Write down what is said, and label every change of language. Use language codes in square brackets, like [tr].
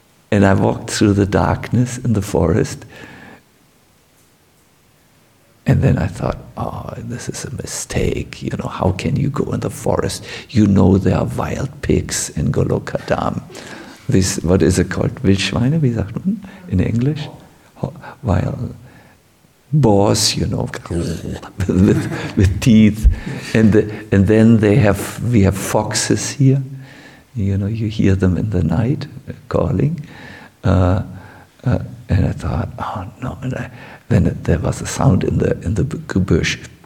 [en] And I walked through the darkness in the forest. And then I thought, oh, this is a mistake. You know, how can you go in the forest? You know there are wild pigs in Golokadam. This, what is it called? [de] Wildschweine, wie sagt man in English? [en] Wild boars, you know, with teeth. And then we have foxes here. You know, you hear them in the night calling. And I thought, oh no. And then there was a sound in the bush.